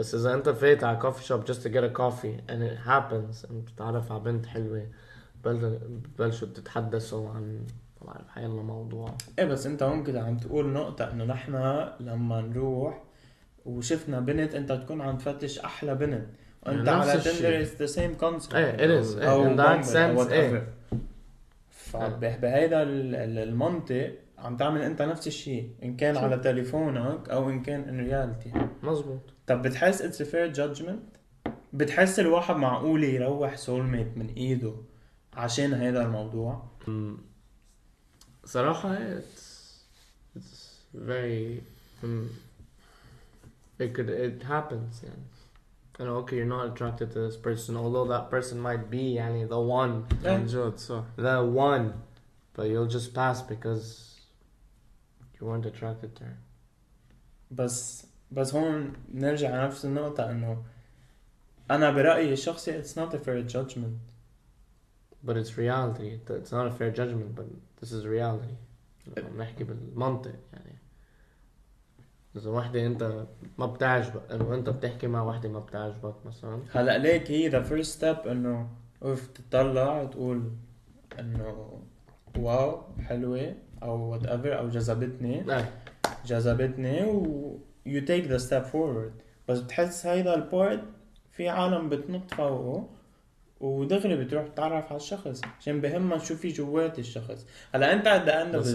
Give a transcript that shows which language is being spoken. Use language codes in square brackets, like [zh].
[en] But if you go to a coffee shop just to get a coffee and it happens and you know a girl is nice and you start to talk about the life of the topic. Yes, but you can say that when we go and we see a girl, you are going to find a nice girl. And you are on Tinder, it's the same concept. Yes, it is. Or in that sense, whatever. In this area, [ar] عم تعمل انت نفس الشيء ان كان على تليفونك او ان كان ان رياليتي مزبوط طب بتحس [en] it's a fair judgment [ar] بتحس الواحد معقول يروح سول ميت من ايده عشان هيدا الموضوع صراحة [en] it's very it happens [ar] يعني [en] and okay you're not attracted to this person although that person might be يعني the one the one but you'll just pass because you weren't attracted to her. [ar] بس هون نرجع نفس النقطة إنه أنا برأيي الشخصي [en] it's not a fair judgment. But it's reality. It's not a fair judgment, but this is reality. [ar] نحكي بالمنطق يعني. إذا واحدة أنت ما بتعجبك إنه أنت بتحكي مع واحدة ما بتعجبك مثلاً. هلا ليك هي [en] the first step [ar] إنه أوف تطلع تقول إنه واو حلوة. أو [en] whatever [ar] أو جذبتني جذبتني و [en] you take the step forward [ar] بس بتحس هيدا البورد في عالم بتنط فوقه ودغري بتروح تتعرف على الشخص عشان بهمها شو في جوات الشخص هلا أنت عند أنه